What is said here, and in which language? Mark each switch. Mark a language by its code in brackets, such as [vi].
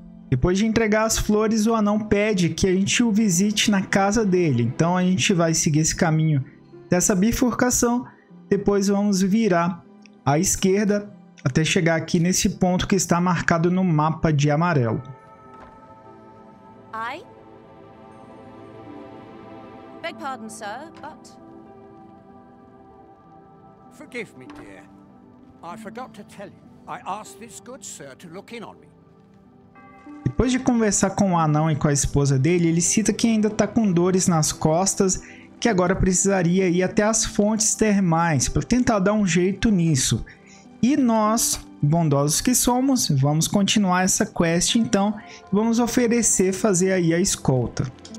[pt] Depois de entregar as flores, o anão pede que a gente o visite na casa dele. Então a gente vai seguir esse caminho dessa bifurcação. Depois vamos virar à esquerda até chegar aqui nesse ponto que está marcado no mapa de amarelo. [en] I beg pardon, sir, but forgive me, dear. I forgot to tell you. I asked this good sir to look in on me. [pt] Depois de conversar com o anão e com a esposa dele, ele cita que ainda está com dores nas costas, que agora precisaria ir até as fontes termais para tentar dar um jeito nisso. E nós, bondosos que somos, vamos continuar essa quest então, e vamos oferecer fazer aí a escolta.